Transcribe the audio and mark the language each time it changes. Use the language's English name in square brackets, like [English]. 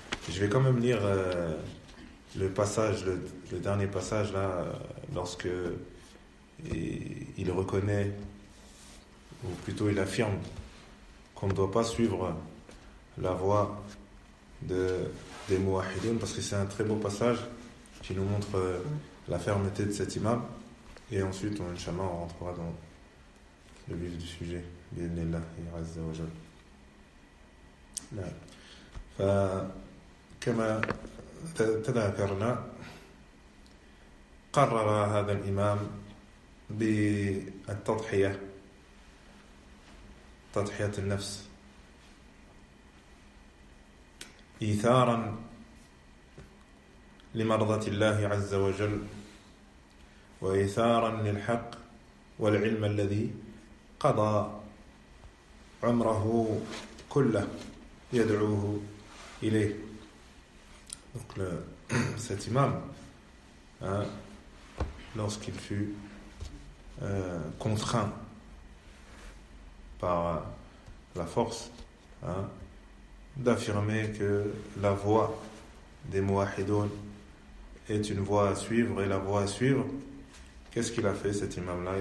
[French] Je vais quand même lire le passage, le dernier passage là, lorsque il reconnaît, ou plutôt il affirme, qu'on ne doit pas suivre la voie des Mouahidoun, parce que c'est un très beau passage qui nous montre la fermeté de cet imam. Et ensuite, Inch'Allah, on rentrera dans le vif du sujet. Bien-Allah, il reste des rejoins. [Arabic] كما تذكرنا قرر هذا الإمام بالتضحية تضحية النفس إيثارا لمرضة الله عز وجل وإيثارا للحق والعلم الذي قضى عمره كله يدعوه إليه. [French] Donc cet imam, hein, lorsqu'il fut contraint par la force, hein, d'affirmer que la voie des Mouahidoun est une voie à suivre et la voie à suivre, qu'est-ce qu'il a fait cet imam-là?